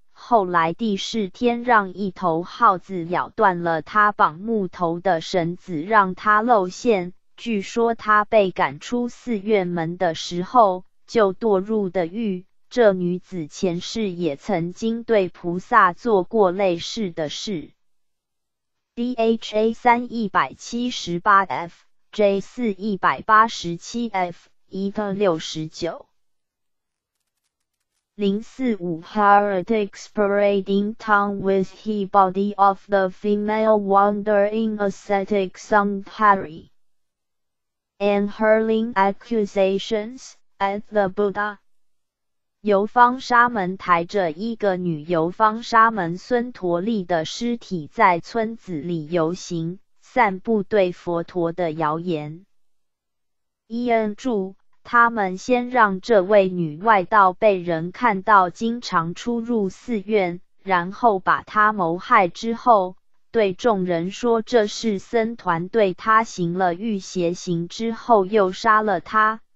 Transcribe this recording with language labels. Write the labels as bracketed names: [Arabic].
[Chinese] 后来第四天让一头耗子咬断了她绑木头的绳子，让她露馅。据说他被赶出寺院门的时候就堕入的狱。这女子前世也曾经对菩萨做过类似的事。 [English] DHA 3178F J 4187F 169 045 Heretics parading town with he body of the female wandering ascetic Sampari and hurling accusations at the Buddha. [Chinese] 游方沙门抬着一个女游方沙门孙陀利的尸体在村子里游行，散布对佛陀的谣言。伊恩注：他们先让这位女外道被人看到经常出入寺院，然后把她谋害之后对众人说这是僧团对他行了浴血刑之后又杀了他。